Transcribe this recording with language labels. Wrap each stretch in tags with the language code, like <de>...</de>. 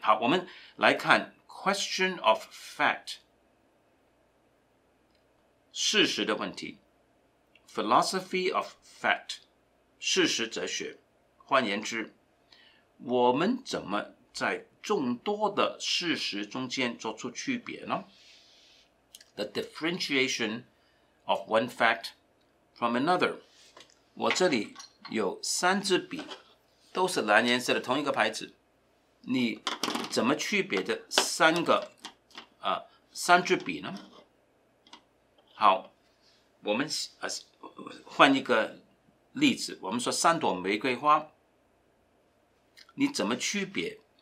<zh>好，我们来看</zh> <en>question of fact,</en> <zh>事实的问题</zh> <en>philosophy of fact,</en> <zh>事实哲学。换言之，我们怎么在众多的事实中间做出区别呢？</zh> <en>The differentiation of one fact from another.</en> <zh>我这里有三支笔，都是蓝颜色的同一个牌子。你怎么区别这三个三支笔呢？好，我们换一个例子，我们说三朵玫瑰花，你怎么区别</zh>